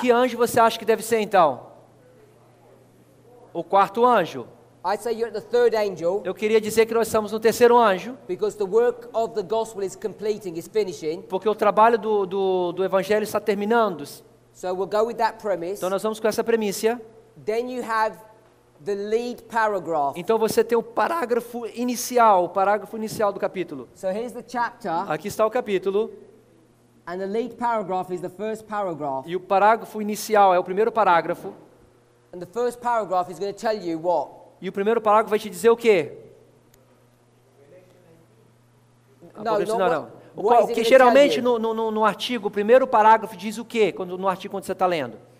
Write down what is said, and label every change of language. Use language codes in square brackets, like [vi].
[pt] Que anjo você acha que deve ser então? O quarto anjo. [en] I say you're the third angel. [pt] Eu queria dizer que nós estamos no terceiro anjo. [en] Because the work of the gospel is completing, is finishing. [pt] Porque o trabalho do evangelho está terminando. [en] So we'll go with that premise. [pt] Então nós vamos com essa premissa. [en] Then you have the lead paragraph. [pt] Então você tem o parágrafo inicial do capítulo. [en] So here's the chapter. [pt] Aqui está o capítulo. [en] And the lead paragraph is the first paragraph. [pt] E o parágrafo inicial é o primeiro parágrafo. [en] And the first paragraph is going to tell you what. [pt] E o primeiro parágrafo vai te dizer o quê? Não. Porque geralmente no artigo, o primeiro parágrafo diz o quê? No artigo quando você está lendo?